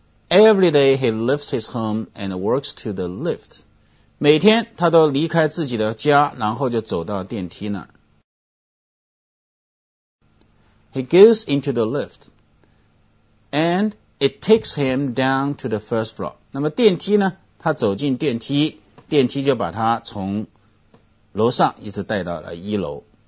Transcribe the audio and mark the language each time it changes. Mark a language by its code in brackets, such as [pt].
[en] Every day he leaves his home and works to the lift. [zh] 每天他都离开自己的家，然后就走到电梯那儿。 [en] He goes into the lift. And it takes him down to the first floor. [zh] 那么电梯呢？他走进电梯，电梯就把他从楼上一直带到了一楼。